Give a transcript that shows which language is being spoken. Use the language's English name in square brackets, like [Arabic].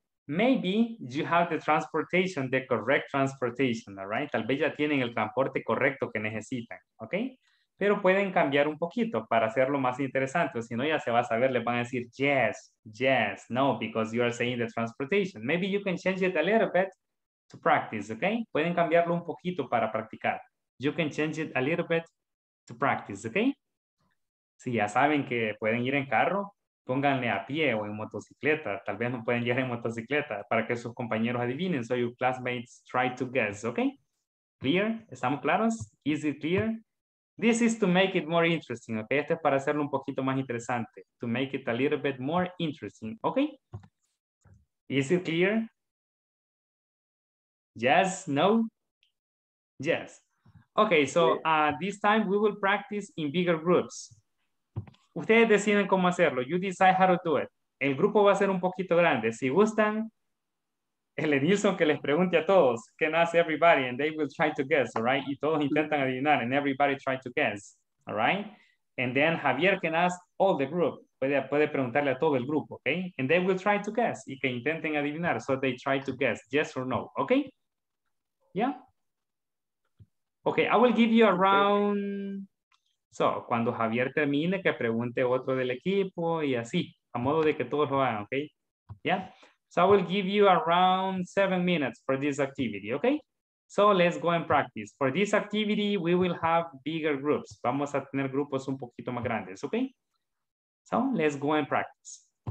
[English] Maybe you have the transportation, the correct transportation. All right. [Spanish] Tal vez ya tienen el transporte correcto que necesitan. Okay. Pero pueden cambiar un poquito para hacerlo más interesante. O si no, ya se va a saber, le van a decir, [English] yes, no, because you are saying the transportation. Maybe you can change it a little bit to practice, okay? [Spanish] Pueden cambiarlo un poquito para practicar. [English] You can change it a little bit to practice, okay? [Spanish] Si ya saben que pueden ir en carro, pónganle a pie o en motocicleta. Tal vez no pueden ir en motocicleta para que sus compañeros adivinen. [English] So your classmates try to guess, okay? Clear? [Spanish] Estamos claros? [English] Is it clear? This is to make it more interesting, okay? [Spanish] Este es para hacerlo un poquito más interesante. [English] To make it a little bit more interesting, okay? Is it clear? Yes, no? Yes. Okay, so this time we will practice in bigger groups. [Spanish] Ustedes deciden cómo hacerlo. [English] You decide how to do it. [Spanish] El grupo va a ser un poquito grande. Si gustan, el Edilson que les pregunte a todos, [English] can ask everybody and they will try to guess, all right? [Spanish] Y todos intentan adivinar [English] and everybody try to guess, all right? And then Javier can ask all the group. [Spanish] Puede preguntarle a todo el grupo, [English] okay? And they will try to guess [Spanish] y que intenten adivinar. [English] So they try to guess, yes or no, okay? Yeah? Okay, I will give you around... [Spanish] So, cuando Javier termine, que pregunte otro del equipo y así, a modo de que todos lo hagan, okay? [English] Yeah? So I will give you around 7 minutes for this activity, okay? So let's go and practice. For this activity, we will have bigger groups. [Spanish] Vamos a tener grupos un poquito más grandes, okay? [English] So let's go and practice.